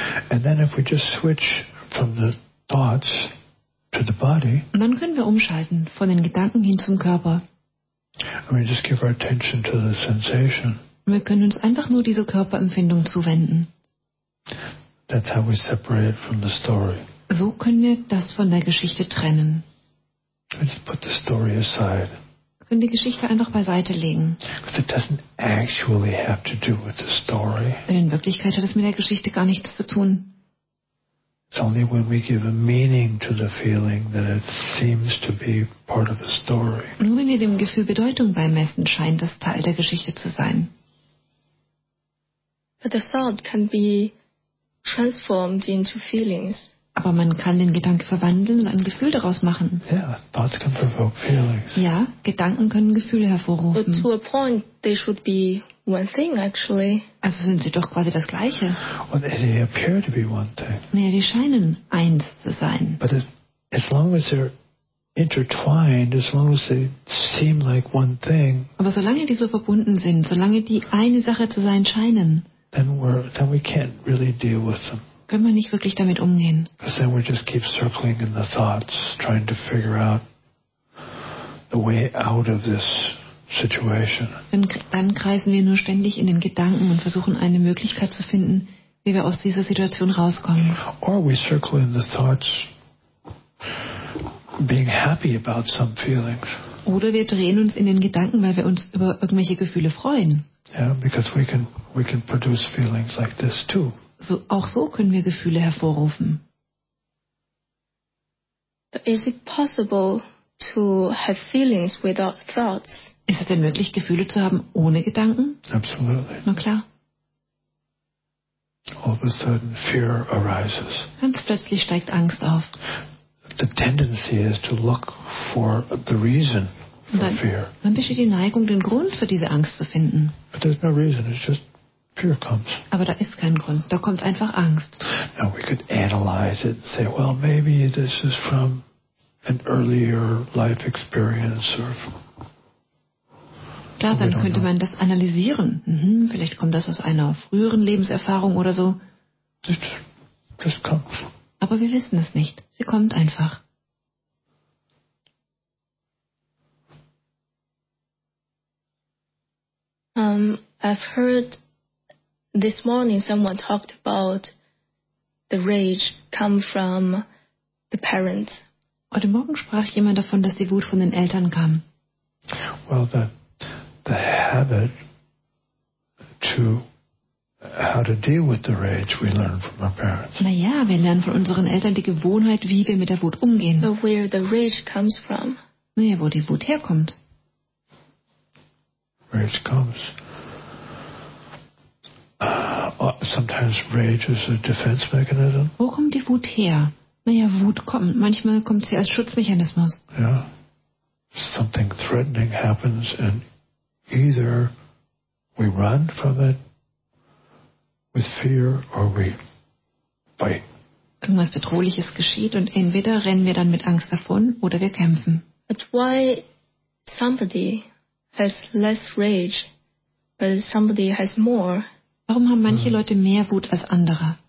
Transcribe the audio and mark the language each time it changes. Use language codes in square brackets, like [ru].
[en] And then if we just switch from the thoughts to the body. [de] Und dann können wir umschalten von den Gedanken hin zum Körper. [en] And we just give our attention to the sensation. [de] Wir können uns einfach nur dieser Körperempfindung zuwenden. [en] That's how we separate from the story. [de] So können wir das von der Geschichte trennen. [en] Just put the story aside. [de] Wir können die Geschichte einfach beiseite legen. [en] Because it doesn't actually have to do with the story. [de] Denn in Wirklichkeit hat es mit der Geschichte gar nichts zu tun. [en] It's only when we give a meaning to the feeling that it seems to be part of the story. [de] Nur wenn wir dem Gefühl Bedeutung beimessen, scheint das Teil der Geschichte zu sein. [en] But the thought can be transformed into feelings. [de] Aber man kann den Gedanke verwandeln und ein Gefühl daraus machen. [en] Yeah, thoughts can provoke feelings. [de] Ja, Gedanken können Gefühle hervorrufen. [en] But to a point, they should be one thing actually. [de] Also sind sie doch quasi das Gleiche. [en] Well, they appear to be one thing. [de] Naja, die scheinen eins zu sein. [en] But as long as they're intertwined, as long as they seem like one thing. [de] Aber solange die so verbunden sind, solange die eine Sache zu sein scheinen, [en] then we can't really deal with them. [de] Können wir nicht wirklich damit umgehen? [en] Because then we just keep circling in the thoughts, trying to figure out the way out of this situation. [de] Dann kreisen wir nur ständig in den Gedanken und versuchen eine Möglichkeit zu finden, wie wir aus dieser Situation rauskommen. [en] Or we circle in the thoughts. Being happy about some feelings. [de] Oder wir drehen uns in den Gedanken, weil wir uns über irgendwelche Gefühle freuen. [en] Yeah, because we can produce feelings like this too. [de] So, auch so können wir Gefühle hervorrufen. [en] Is it possible to have feelings without thoughts? [de] Ist es denn möglich, Gefühle zu haben ohne Gedanken? [en] Absolutely. [de] Na klar. [en] All of a sudden fear arises. [de] Ganz plötzlich steigt Angst auf. [en] The tendency is to look for the reason. [de] Und dann besteht die Neigung, den Grund für diese Angst zu finden. [en] But there's no reason, it's just fear comes. [de] Aber da ist kein Grund, da kommt einfach Angst. [en] Now we could analyze it and say, well, maybe this is from an earlier life experience or from... [de] Klar, dann könnte man das analysieren. Vielleicht kommt das aus einer früheren Lebenserfahrung oder so. Das kommt. Aber wir wissen es nicht. Sie kommt einfach. [en] I've heard this morning someone talked about the rage come from the parents. [de] Heute Morgen sprach jemand davon, dass die Wut von den Eltern kam. [en] Well, the habit to how to deal with the rage we learn from our parents. [de] Na ja, wir lernen von unseren Eltern die Gewohnheit, wie wir mit der Wut umgehen. [en] But where the rage comes from? [de] Na ja, wo die Wut herkommt. [en] Rage comes. Sometimes rage is a defense mechanism. [de] Wo kommt die Wut her? Naja, Wut kommt. Manchmal kommt sie als Schutzmechanismus. [en] Yeah. Something threatening happens and either we run from it with fear or we fight. [de] Irgendwas Bedrohliches geschieht und entweder rennen wir dann mit Angst davon oder wir kämpfen. [en] But why somebody has less rage but somebody has more? [de] Warum haben manche Leute mehr Wut als andere?